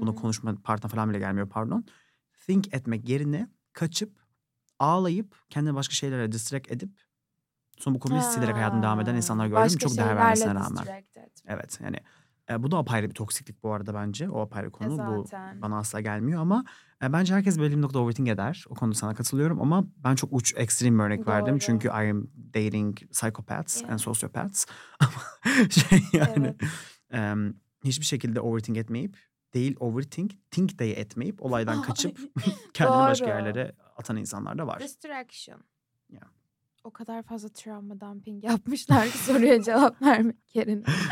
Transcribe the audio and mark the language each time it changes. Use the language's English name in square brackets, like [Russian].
[Turkish] Bunu konuşma partner falan bile gelmiyor pardon. Think etmek yerine kaçıp ağlayıp kendini başka şeylerle distract edip. Sonra bu konuyu silerek hayatını devam eden insanlar gördüm. Başka çok değer vermesine rağmen. Evet yani. Bu da apayrı bir toksiklik bu arada bence. O apayrı konu. Zaten. Bu bana asla gelmiyor ama bence herkes belli bir noktada overthink eder. O konuda sana katılıyorum ama ben çok uç ekstrem bir örnek verdim. Çünkü [English] I am dating psychopaths and sociopaths. [Turkish] Ama şey yani hiçbir şekilde overthink etmeyip değil overthink, think day etmeyip olaydan kaçıp kendini başka yerlere atan insanlar da var. [English] Distraction. [Turkish] Yeah. O kadar fazla trauma dumping yapmışlar ki soruya cevap vermek yerine.